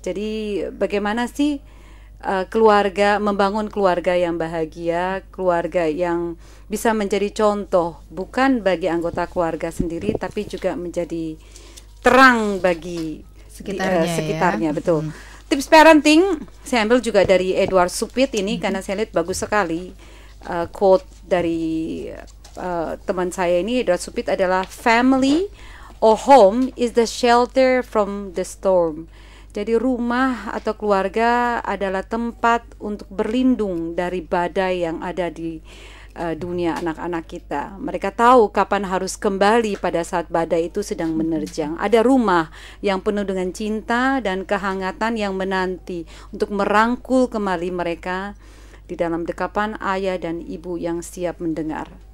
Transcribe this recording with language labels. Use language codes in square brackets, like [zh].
[id] Jadi bagaimana sih keluarga, membangun keluarga yang bahagia, keluarga yang bisa menjadi contoh bukan bagi anggota keluarga sendiri, tapi juga menjadi terang bagi sekitarnya ya. Betul. Tips parenting saya ambil juga dari Edward Supit ini, karena saya lihat bagus sekali quote dari teman saya ini. Edward Supit adalah, [en] family or home is the shelter from the storm. [id] Jadi rumah atau keluarga adalah tempat untuk berlindung dari badai yang ada di dunia anak-anak kita. Mereka tahu kapan harus kembali pada saat badai itu sedang menerjang. Ada rumah yang penuh dengan cinta dan kehangatan yang menanti untuk merangkul kembali mereka di dalam dekapan ayah dan ibu yang siap mendengar.